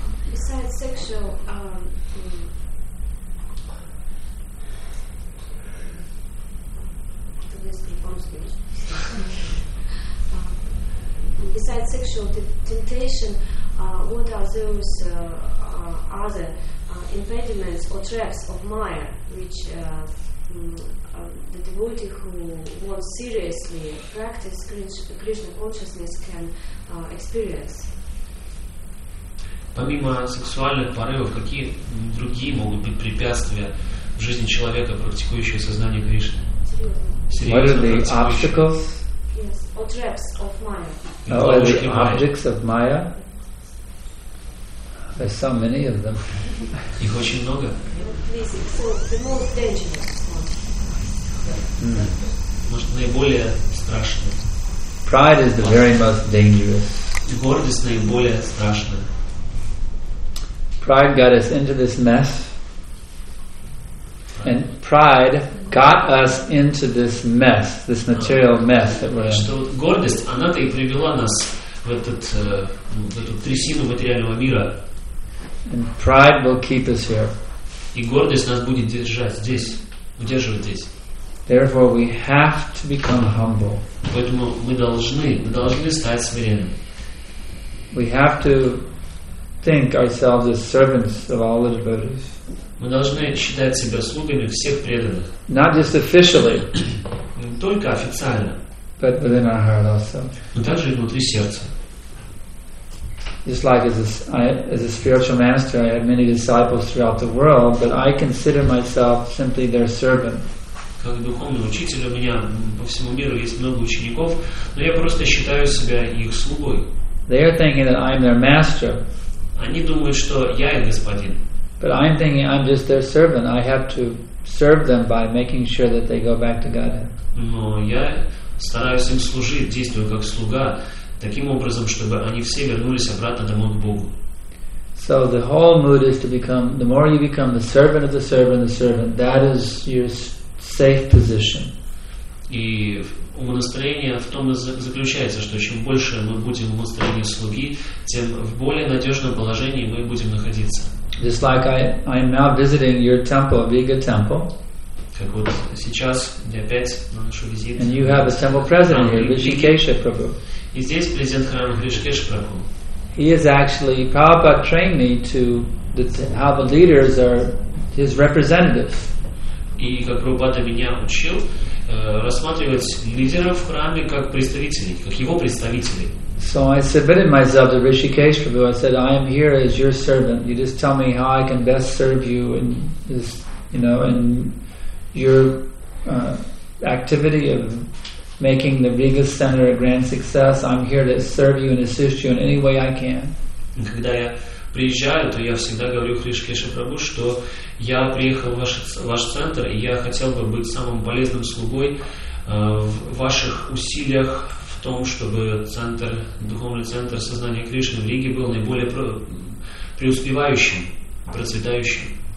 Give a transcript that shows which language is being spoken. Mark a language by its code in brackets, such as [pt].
[en] Besides sexual, besides sexual temptation, what are those other impediments or traps of Maya, which the devotee who wants seriously practice Krishna consciousness can experience? [ru] Помимо сексуальных порывов, какие другие могут быть препятствия в жизни человека, практикующего сознание Кришны? [en] What are the obstacles? Yes, or traps of Maya. Oh, are the objects of Maya? There's so many of them. [ru] Их очень много. [en] So the most dangerous. [ru] Может, наиболее страшные. [en] Pride is the very most dangerous. [ru] Гордость наиболее страшная. [en] Pride got us into this mess. And pride got us into this mess, this material mess that we're in. [ru] Что гордость, она-то и привела нас в этот в эту трясину материального мира. [en] And pride will keep us here. [ru] И гордость нас будет держать здесь, удерживать здесь. [en] Therefore, we have to become humble. [ru] Поэтому мы должны стать смиренными. [en] We have to think ourselves as servants of all the devotees. [ru] Мы должны считать себя слугами всех преданных. [en] Not just officially. [ru] Не только официально. [en] But within our heart also. [ru] Но также и внутри сердца. [en] Just like as a spiritual master, I have many disciples throughout the world, but I consider myself simply their servant. [ru] Как духовный учитель, у меня по всему миру есть много учеников, но я просто считаю себя их слугой. [en] They are thinking that I'm their master. [ru] Они думают, что я их господин. [en] But I'm thinking I'm just their servant. I have to serve them by making sure that they go back to Godhead. [ru] Но я стараюсь им служить, действую как слуга, таким образом, чтобы они все вернулись обратно домой к Богу. [en] So the whole mood is to become, the more you become the servant of the servant, that is your safe position. [ru] И умонастроение в том и заключается, что чем больше мы будем в умонастроении слуги, тем в более надежном положении мы будем находиться. [en] Just like I am now visiting your temple, Viga temple. [ru] Как вот сейчас я опять на нашу визит. [en] And you have a temple president here, Rishikesha Prabhu. [ru] И здесь президент храма Ришикеш Прабху. [en] He is actually, Prabhupada trained me to how the leaders are his representatives. [ru] И как Прабхупада меня учил рассматривать лидеров в храме как представителей, как его представителей. [en] So I submitted myself to Rishikesh Prabhu. I said, I am here as your servant. You just tell me how I can best serve you in this, you know, in your activity of making the Riga Center a grand success. I'm here to serve you and assist you in any way I can. [ru] Когда я приезжаю, то я всегда говорю Ришикеша Прабу, что я приехал в ваш центр, и я хотел бы быть самым полезным слугой в ваших усилиях в том, чтобы центр, духовный центр сознания Кришны в Риге был наиболее преуспевающим, процветающим.